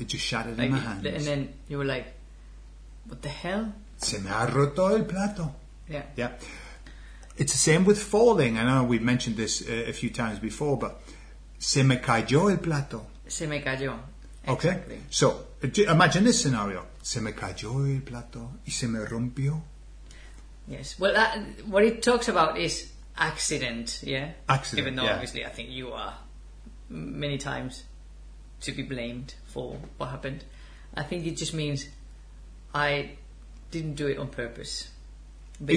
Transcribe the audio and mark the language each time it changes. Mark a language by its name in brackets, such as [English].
[English] It just shattered in my hands. And then you were like, what the hell? [Spanish] Se me ha roto el plato. [English] Yeah. Yeah. It's the same with falling. I know we've mentioned this a few times before, but [Spanish] se me cayó el plato. Se me cayó. [English] Okay. Exactly. So, imagine this scenario. [Spanish] Se me cayó el plato y se me rompió. [English] Yes. Well, what it talks about is accident, yeah? Accident, even though, yeah, obviously, I think you are many times to be blamed for what happened. I think it just means I didn't do it on purpose. Basically.